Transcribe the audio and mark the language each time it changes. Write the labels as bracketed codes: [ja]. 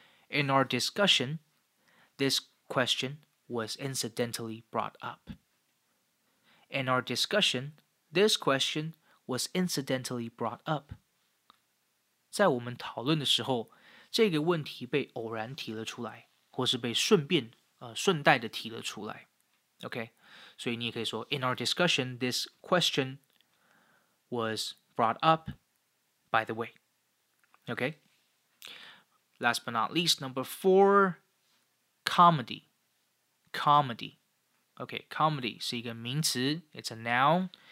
[en] In our discussion, this question was incidentally brought up. In our discussion, this question was incidentally brought up. [zh] 在我们讨论的时候，这个问题被偶然提了出来，或是被顺带的提了出来。 [en] Okay? [zh] 所以你也可以说 [en] In our discussion, this question was brought up by the way. Okay? Last but not least, number four, comedy. Comedy. Okay, comedy [zh] 是一个名词 [en] It's a noun.